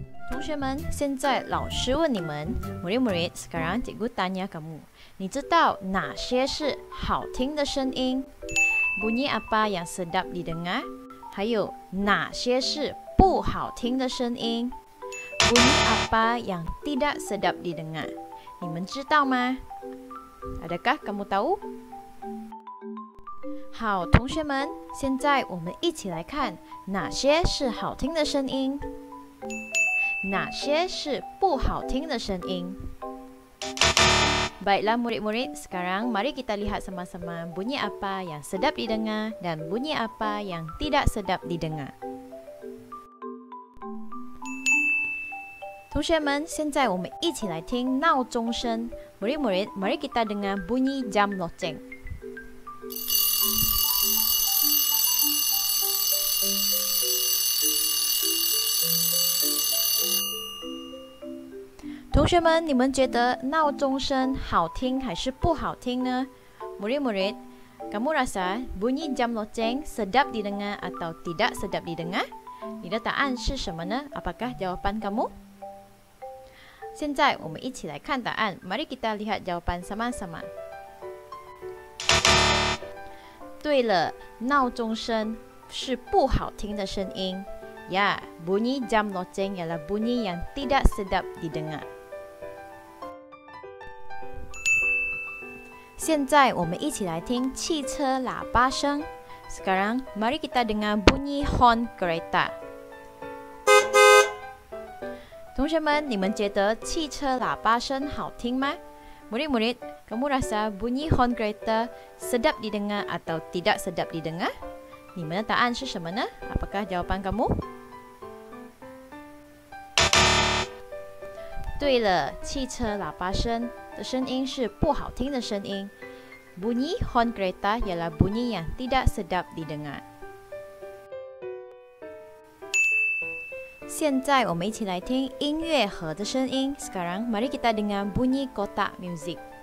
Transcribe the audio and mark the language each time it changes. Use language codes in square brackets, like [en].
[zh] 同学们，现在老师问你们 ， [ms] Murid murid， sekarang cikgu tanya kamu， [zh] 你知道哪些是好听的声音 ？ [ms] Bunyi apa yang sedap didengar？ [zh] 还有哪些是不好听的声音 ？ [ms] Bunyi apa yang tidak sedap didengar？ [zh] 你们知道吗 ？ [ms] Adakah kamu tahu？ [zh] 好，同学们，现在我们一起来看哪些是好听的声音。哪些是不好听的声音 [ms] Baiklah murid-murid, sekarang mari kita lihat sama-sama bunyi apa yang sedap didengar dan bunyi apa yang tidak sedap didengar. [zh] 同学们，现在我们一起来听闹钟声。 [ms] Murid-murid, mari kita dengar bunyi jam loceng. [zh] 同学们，你们觉得闹钟声好听还是不好听呢 ？ [ms] Murid murid, kamu rasa bunyi jam loceng sedap didengar atau tidak sedap didengar? [zh] 你的答案是什么呢 ？ [ms] Apakah jawapan kamu？ [zh] 现在我们一起来看答案。 [ms] Mari kita lihat jawapan sama-sama。 [zh] 对了，闹钟声是不好听的声音。 [ms] Ya, bunyi jam loceng ialah bunyi yang tidak sedap didengar。 [zh] 现在我们一起来听汽车喇叭声。 [ms] Sekarang, mari kita dengar bunyi horn kereta。 [zh] 同学们，你们觉得汽车喇叭声好听吗 ？ [ms] Murid-murid, kamu rasa bunyi horn kereta sedap didengar atau tidak sedap didengar? [zh] 你们的答案是什么呢 ？ [ms] Apakah jawapan kamu？ [zh] 对了，汽车喇叭声。的声音是不好听的声音 [ms] ，bunyi horn kereta ialah bunyi yang tidak sedap didengar。 [zh] 现在我们一起来听音乐盒的声音。 [ms] Sekarang mari kita dengar bunyi kotak music。